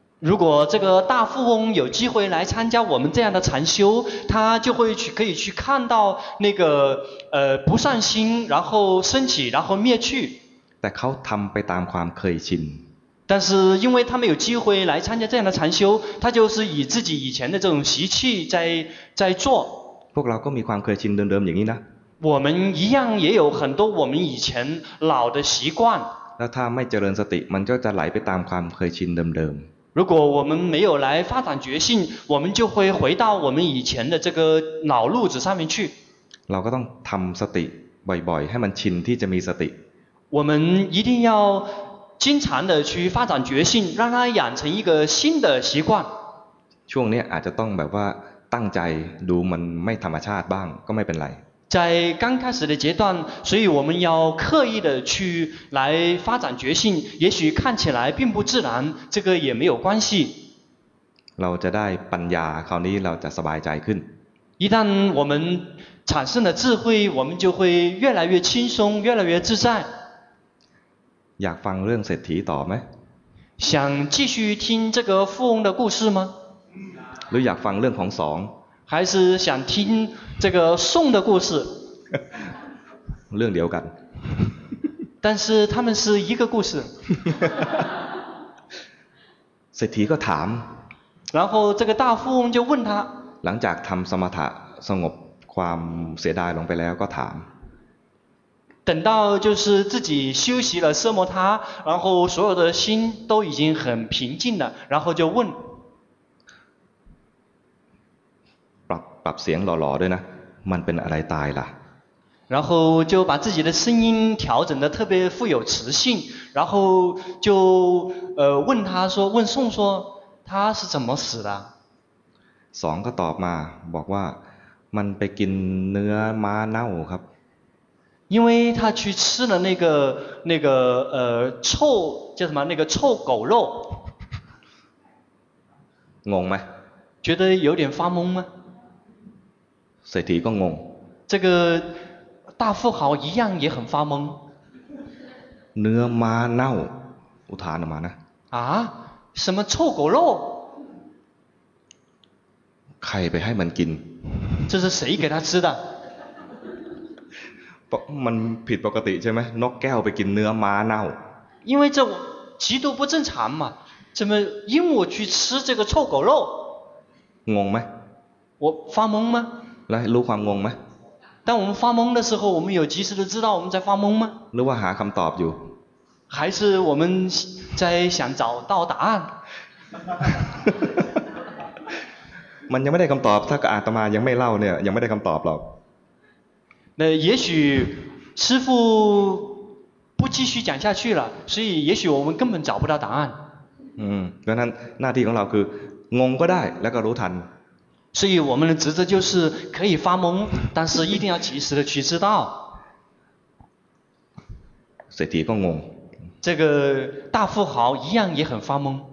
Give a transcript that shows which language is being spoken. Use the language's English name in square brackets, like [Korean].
[Chinese] 如果这个大富翁有机会来参加我们这样的禅修，他就会去可以去看到那个不善心，然后升起，然后灭去。 [Thai] แต่เขาทำไปตามความเคยชิน。 [Chinese] 但是因为他没有机会来参加这样的禅修，他就是以自己以前的这种习气在做。 [Thai] พวกเราก็มีความเคยชินเดิมๆอย่างนี้นะ。 [Chinese] 我们一样也有很多我们以前老的习惯。 [Thai] แล้วถ้าไม่เจริญสติมันก็จะไหลไปตามความเคยชินเดิมๆ [Chinese] 如果我们没有来发展觉性，我们就会回到我们以前的这个老路子上面去。 [Thai] เราก็ต้องทำสติบ่อยๆให้มันชินที่จะมีสติ。 [Chinese] 我们一定要经常的去发展觉性，让它养成一个新的习惯。 [Thai] ช่วงนี้อาจจะต้องแบบว่าตั้งใจดูมันไม่ธรรมชาติบ้างก็ไม่เป็นไร。 [Chinese] 在刚开始的阶段，所以我们要刻意的去来发展觉性，也许看起来并不自然，这个也没有关系。 [Thai] เราจะได้ปัญญาคราวนี้เราจะสบายใจขึ้น。 [Chinese] 一旦我们产生了智慧，我们就会越来越轻松，越来越自在。 [Thai] อยากฟังเรื่องเศรษฐีต่อไหม？ [Chinese] 想继续听这个富翁的故事吗？ [Thai] หรืออยากฟังเรื่องของสอง？ [Chinese] 还是想听这个宋的故事 [Thai] เรื่องเดียวกัน [Chinese] 但是他们是一个故事 [Thai] เศรษฐีก็ถาม [Chinese] 然后这个大富翁就问他 [Thai] หลังจากทำสมถะสงบความเสียดายลงไปแล้วก็ถาม [Chinese] 等到就是自己休息了奢摩他然后所有的心都已经很平静了然后就问 [Thai] ปรับเสียงหล่อๆด้วยนะมันเป็นอะไรตายล่ะ [Chinese] 然后就把自己的声音调整得特别富有磁性然后就问他说问宋说他是怎么死的 [Thai] สองก็ตอบมาบอกว่ามันไปกินเนื้อม้าเน่าครับ [Chinese] 因为他去吃了那个臭叫什么那个臭狗肉 [Thai] งงไหม [Chinese] 觉得有点发懵吗 [Thai] เศรษฐีก็งง [Chinese] 这个大富豪一样也很发懵 [Thai] เนื้อม้าเน่าอุทานออกมานะ [Chinese] 啊什么臭狗肉 [Thai] ใครไปให้มันกิน [Chinese] 这是谁给他吃的 [Thai] มันผิดปกติใช่ไหมนกแก้วไปกินเนื้อม้าเน่า [Chinese] 因为这极度不正常嘛怎么鹦鹉去吃这个臭狗肉 [Thai] งงไหม [Chinese] 我发懵吗 [Thai] 来รู้ความงงไหม [Chinese] 当我们发懵的时候我们有及时的知道我们在发懵吗 [Thai] หรือว่าหาคำตอบอยู่ [Chinese] 还是我们在想找到答案 [Thai] มันยังไม่ได้คำตอบถ้าอาตมายังไม่เล่าเนี่ยยังไม่ได้คำตอบหรอก [Chinese] 那也许师父不继续讲下去了所以也许我们根本找不到答案 [Thai] ดังนั้นหน้าที่ของเราคืองงก็ได้แล้วก็รู้ทัน [Chinese] 所以我们的职责就是可以发懵但是一定要及时的去知道 [Thai] เศรษฐีก็งง [Chinese] 这个大富豪一样也很发懵